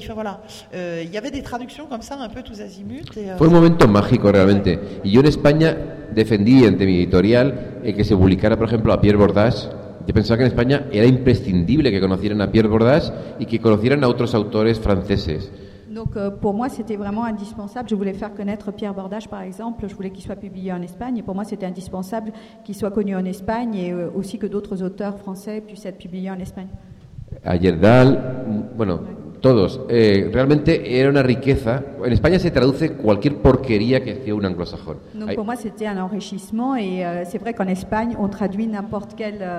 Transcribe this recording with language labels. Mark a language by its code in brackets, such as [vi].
[fr] Enfin voilà, il y avait des traductions comme ça un peu tous azimuts. [es] Fue un momento mágico realmente. Y yo en España defendí ante mi editorial que se publicara, por ejemplo, a Pierre Bordas. Yo pensaba que en España era imprescindible que conocieran a Pierre Bordas y que conocieran a otros autores franceses. [fr] Donc pour moi c'était vraiment indispensable. Je voulais faire connaître Pierre Bordas par exemple. Je voulais qu'il soit publié en Espagne. Et pour moi c'était indispensable qu'il soit connu en Espagne et aussi que d'autres auteurs français puissent être publiés en Espagne. [es] Ayerdal, bueno, todos. Realmente era una riqueza. En España se traduce cualquier porquería que escriba un anglosajón. [fr] Donc pour moi c'était un enrichissement et c'est vrai qu'en Espagne on traduit n'importe quel.